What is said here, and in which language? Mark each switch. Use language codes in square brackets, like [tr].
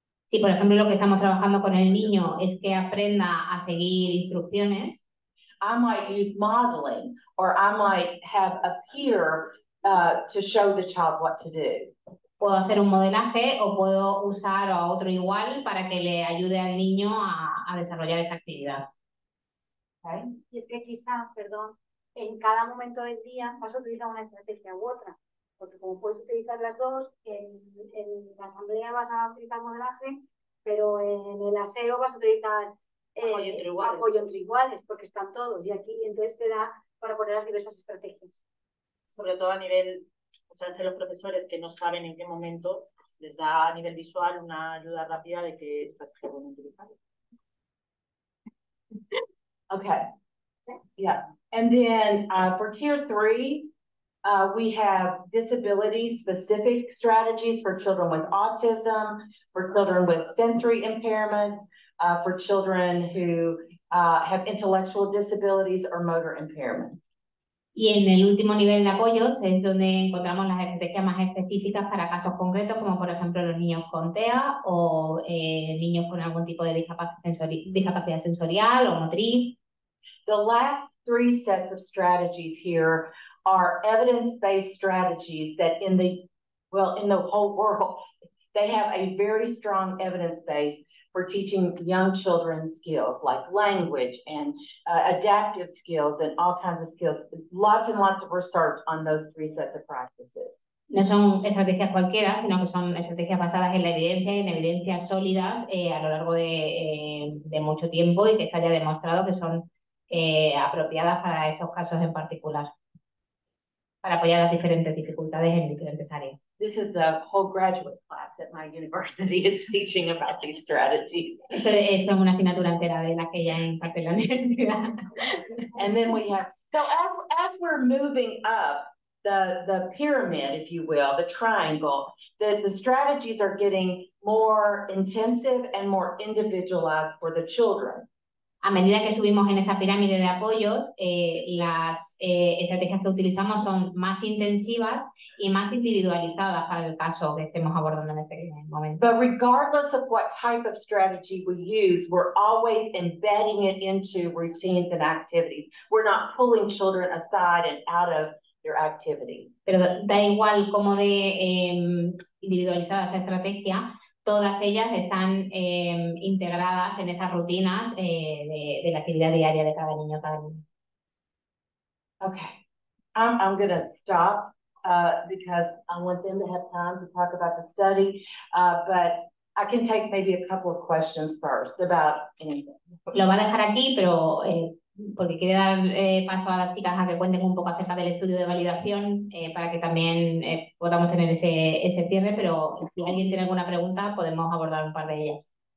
[es] Si, por ejemplo, lo que estamos trabajando con el niño es que aprenda a seguir instrucciones. [en] I might use modeling, or I might have a peer to show the child what to do. [es] Puedo hacer un modelaje o puedo usar a otro igual para que le ayude al niño a desarrollar esa actividad. [en] Okay. [es] Y es que quizás, perdón, en cada momento del día vas a utilizar una estrategia u otra. Porque como puedes utilizar las dos, en la asamblea vas a utilizar modelaje, pero en el aseo vas a utilizar apoyo entre iguales, porque están todos. Y aquí entonces te da para poner las diversas estrategias. Sobre todo a nivel... Muchas veces los profesores que no saben en qué momento les da a nivel visual una ayuda rápida de qué estrategia pueden utilizar. [en] Okay. Yeah. And then for tier three, we have disability specific strategies for children with autism, for children with sensory impairments, for children who have intellectual disabilities or motor impairments. [es] Y en el último nivel de apoyos es donde encontramos las estrategias más específicas para casos concretos, como por ejemplo los niños con TEA o niños con algún tipo de discapacidad sensorial o motriz. [en] The last three sets of strategies here are evidence-based strategies that in the whole world, they have a very strong evidence base for teaching young children skills like language and adaptive skills and all kinds of skills. Lots and lots of research on those three sets of practices. [es] No son estrategias cualquiera, sino que son estrategias basadas en la evidencia, en evidencias sólidas a lo largo de mucho tiempo y que se haya demostrado que son apropiadas para esos casos en particular, para apoyar las diferentes dificultades en diferentes áreas. [en] This is a whole graduate class at my university is teaching about these strategies. [es] Esto es una asignatura entera de la que ya imparte la universidad. [en] And then we have, so as we're moving up the pyramid, if you will, the triangle, the strategies are getting more intensive and more individualized for the children. [es] A medida que subimos en esa pirámide de apoyo, las estrategias que utilizamos son más intensivas y más individualizadas para el caso que estemos abordando en este momento. [en] But regardless of what type of strategy we use, we're always embedding it into routines and activities. We're not pulling children aside and out of their activity. [es] Pero da igual cómo de individualizada esa estrategia, todas ellas están integradas en esas rutinas de la actividad diaria de cada niño, cada niño. [en] Okay, I'm going to stop because I want them to have time to talk about the study, but I can take maybe a couple of questions first about anything. [es] Lo va a dejar aquí, pero porque quiere dar paso a las chicas a que cuenten un poco acerca del estudio de validación para que también podamos tener ese cierre, pero si alguien tiene alguna pregunta, podemos abordar un par de ellas.